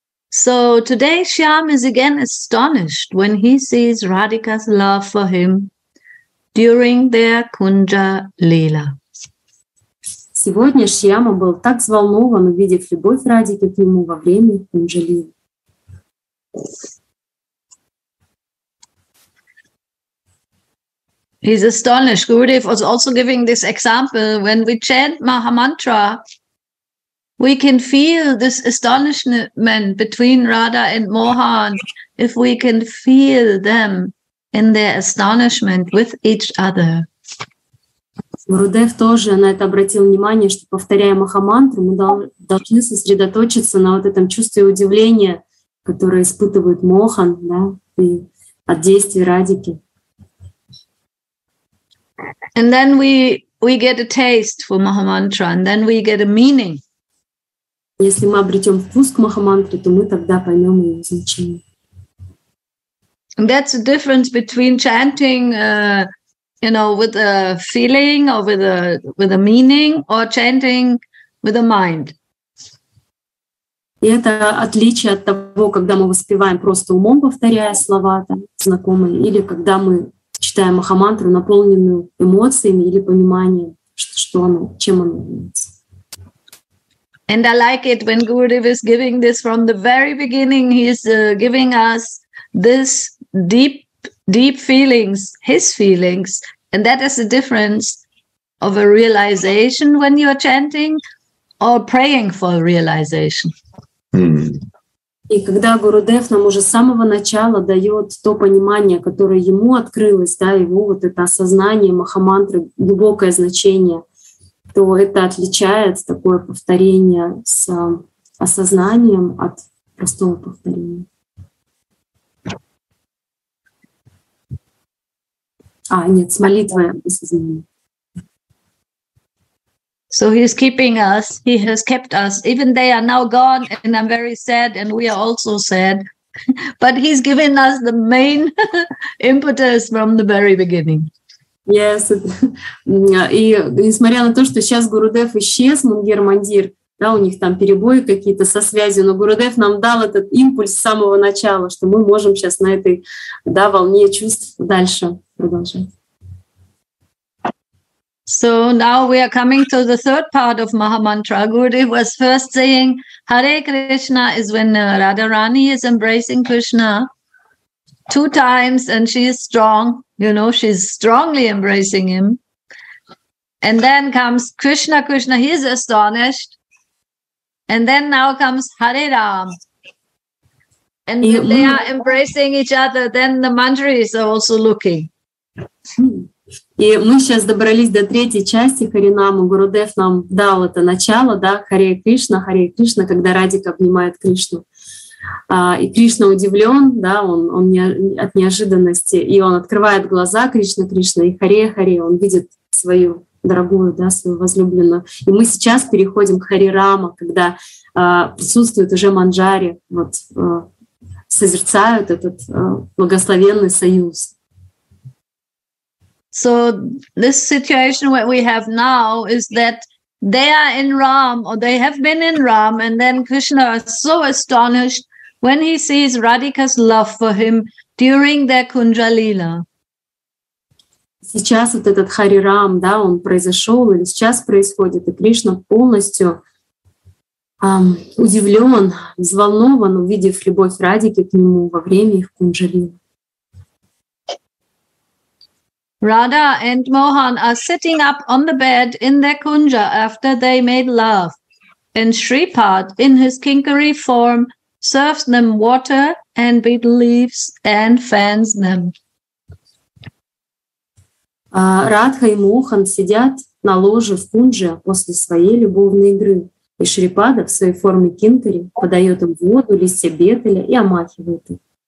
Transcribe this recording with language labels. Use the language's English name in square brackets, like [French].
[English] So today, Shyam is again astonished when he sees Radhika's love for him during their kunja lila. [Russian] Сегодня Шьяма был так взволнован, увидев любовь Радики к нему во время кунджа лилы. [English] He's astonished. Gurudev was also giving this example. When we chant Maha Mantra, we can feel this astonishment between Radha and Mohan if we can feel them in their astonishment with each other. [Russian] Гурудев тоже на это обратил внимание, что, повторяя Махамантру, мы должны сосредоточиться на вот этом чувстве удивления, которое испытывает Мохан, да, и от действий Радики. [English] And then we get a taste for Mahamantra, and then we get a meaning. [Russian] Если мы обретем вкус к Махамантре, то мы тогда поймем ее значение. [English] That's the difference between chanting, you know, with a feeling or with a meaning, or chanting with a mind. [Russian] И это отличие от того, когда мы воспеваем просто умом, повторяя слова там, знакомые, или когда мы читаем Махамантру, наполненную эмоциями или пониманием, что оно, чем оно является. [English] And I like it when Gurudev is giving this from the very beginning. He's giving us this deep, deep feelings, his feelings. And that is the difference of a realization when you are chanting or praying for a realization. [Russian] И когда Гурудев нам уже с самого начала дает то понимание, которое ему открылось, да, его вот это осознание Махамантры, глубокое значение, то это отличает такое повторение с осознанием от простого повторения. А, нет, с молитвой осознания. [English] So he's keeping us, he has kept us, even they are now gone, and I'm very sad, and we are also sad, but he's given us the main impetus from the very beginning. [Russian] Yes, и несмотря на то, что сейчас Гурудев исчез, Мундир-Мандир, да, у них там перебои какие-то со связью, но Гурудев нам дал этот импульс с самого начала, что мы можем сейчас на этой, да, волне чувств дальше продолжать. [English] So now we are coming to the third part of Mahamantra. Gurudev was first saying Hare Krishna is when Radharani is embracing Krishna two times and she is strong, you know, she's strongly embracing him. And then comes Krishna, Krishna, he is astonished. And then now comes Hare Ram. And when they are embracing each other, then the mantras are also looking. [Russian] И мы сейчас добрались до третьей части Харинаму. Гурудев нам дал это начало, да, Харе Кришна, когда Радика обнимает Кришну. И Кришна удивлен, да, он не, от неожиданности, и он открывает глаза Кришна, Кришна, и Харе, Харе, он видит свою дорогую, да, свою возлюбленную. И мы сейчас переходим к Харе Рама, когда присутствует уже Манджари, вот созерцают этот благословенный союз. [English] So this situation what we have now is that they are in Ram, or they have been in Ram, and then Krishna is so astonished when he sees Radhika's love for him during their Kunjalila. [Russian] Сейчас вот этот Хари Рам, да, он произошел, или сейчас происходит, и Кришна полностью удивлен, взволнован, увидев любовь Радики к нему во время их Кунджалила. [English] Radha and Mohan are sitting up on the bed in their kunja after they made love. And Sripad, in his kinkari form, serves them water and betel leaves and fans them. [Russian] Radha и Mohan сидят на ложе в кунже после своей любовной игры. И Шрипада в своей форме кинкари подает им воду, листья бетеля и омахивает их.